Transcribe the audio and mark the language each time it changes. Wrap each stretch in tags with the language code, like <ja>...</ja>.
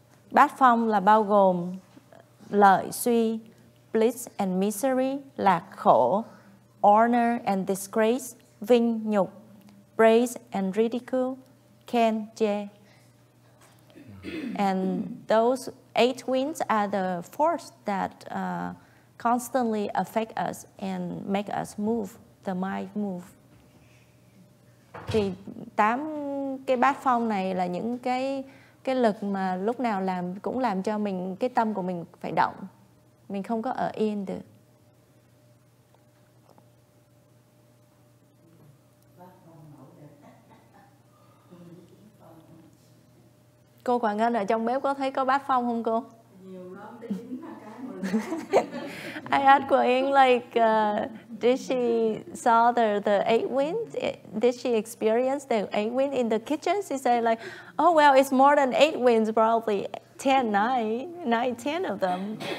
<vi>Bát phong là bao gồm lợi suy,</vi> <en>bliss and misery,</en> <vi>lạc khổ,</vi> <en>honor and disgrace,</en> <vi>vinh nhục,</vi> <en>praise and ridicule,</en> <vi>khen chê.</vi> <en>And those eight winds are the force that constantly affect us and make us move, the mind move.</en> <vi>Thì tám cái bát phong này là những cái lực mà lúc nào làm cũng làm cho mình, cái tâm của mình phải động. Mình không có ở yên được. Cô Hoàng Anh ở trong bếp có thấy có bát phong không cô?</vi> <en>I asked Quang, like, did she saw the eight winds? Did she experience the eight winds in the kitchen? She said, like, oh, well, it's more than eight winds, probably 10 of them.</en>